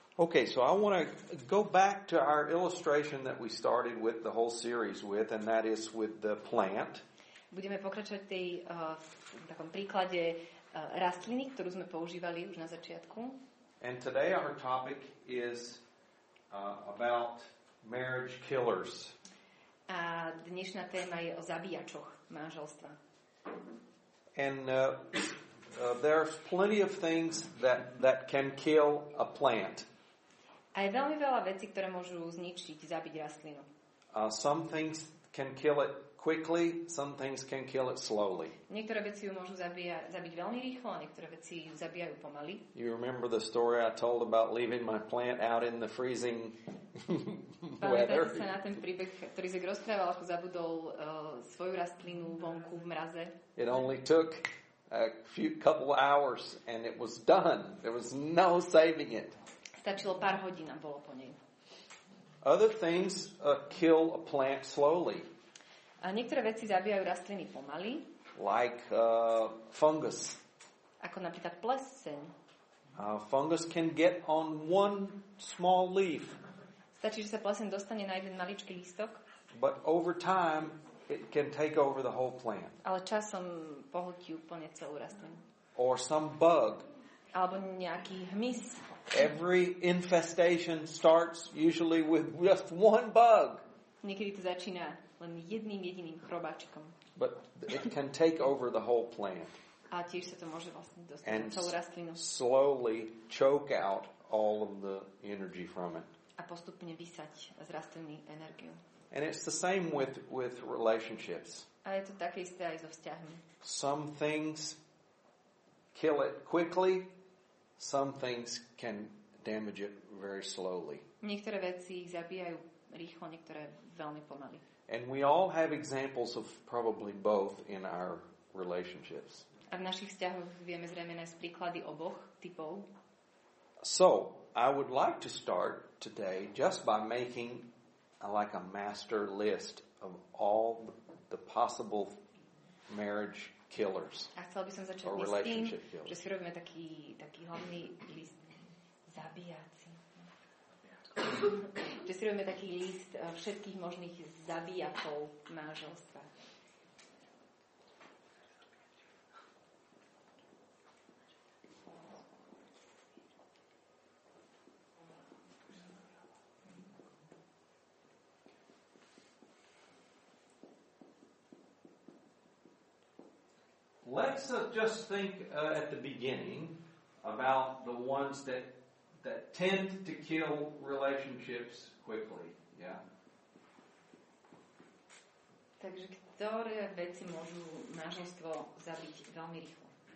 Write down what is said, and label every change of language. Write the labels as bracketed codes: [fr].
[en] Okay, so I want to go back to our illustration that we started with the whole series with, and that is with the plant. [sk] Budeme pokračovať tej v takom príklade rastliny, ktorú sme používali už na začiatku. [en] And today our topic is about marriage killers. [sk] A dnešná téma je o zabíjačoch manželstva. [en] And there's plenty of things that can kill a plant. [sk] A je veľmi veľa vecí, ktoré môžu zničiť, zabiť rastlinu. [en] Some things can kill it quickly, some things can kill it slowly. [sk] Niektoré veci ju môžu zabiť veľmi rýchlo, a niektoré veci ju zabijajú pomaly. [en] You remember the story I told about leaving my plant out in the freezing weather? [sk] Pamätáte sa na ten príbeh, ktorý Zek rozprával, ako zabudol svoju rastlinu vonku v mraze? [en] It only took a few couple hours and it was done. There was no saving it. [sk] Stačilo pár hodín a bolo po nej. [en] Other things kill a plant slowly. [sk] A niektoré veci zabijajú rastliny pomaly. [en] Like fungus. [sk] Ako napríklad pleseň. [en] Fungus can get on one small leaf. [sk] Stačí, že sa pleseň dostane na jeden maličký lístok. [en] But over time it can take over the whole plant. [sk] Ale časom pohltí úplne celú rastlinu. [en] Or some bug. [sk] Alebo nejaký hmyz. [en] Every infestation starts usually with just one bug. [sk] Niekedy to začína len jedným jediným chrobáčikom. [en] But it can take over the whole plant. [sk] A tiež sa to môže vlastne dostať celú rastlinu. [en] Slowly choke out all of the energy from it. [sk] A postupne vysať z rastliny energiu. [en] And it's the same with relationships. [sk] A je to také isté aj so vzťahmi. [en] Some things kill it quickly. Some things can damage it very slowly. [sk] Niektoré veci ich zabijajú rýchlo, niektoré veľmi pomaly. [en] And we all have examples of probably both in our relationships. [sk] A v našich vzťahoch vieme zrejme nájsť príklady oboch typov. [en] So, I would like to start today just by making like a master list of all the possible marriage killers. [sk] A chcel by som začať listím, že si robíme taký hlavný list zabíjací. Že si robíme taký list všetkých možných zabíjakov manželstva. [en] Let's just think at the beginning about the ones that tend to kill relationships quickly. Yeah. [sk] Takže ktoré veci môžu manželstvo zabiť veľmi rýchlo?